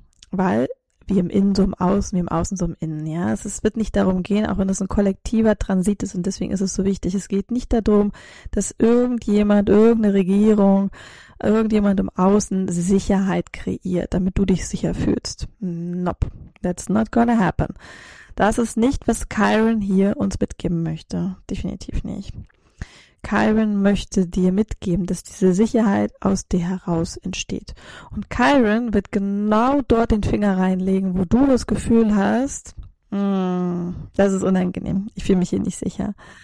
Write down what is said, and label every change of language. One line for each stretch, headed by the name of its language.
German: Weil, wie im Innen so im Außen, wie im Außen so im Innen. Ja, es wird nicht darum gehen, auch wenn es ein kollektiver Transit ist und deswegen ist es so wichtig. Es geht nicht darum, dass irgendjemand, irgendeine Regierung, irgendjemand im Außen Sicherheit kreiert, damit du dich sicher fühlst.
English: Nope, that's not gonna happen.
German: Das ist nicht, was Chiron hier uns mitgeben möchte. Definitiv nicht. Chiron möchte dir mitgeben, dass diese Sicherheit aus dir heraus entsteht. Und Chiron wird genau dort den Finger reinlegen, wo du das Gefühl hast, das ist unangenehm, ich fühle mich hier nicht sicher.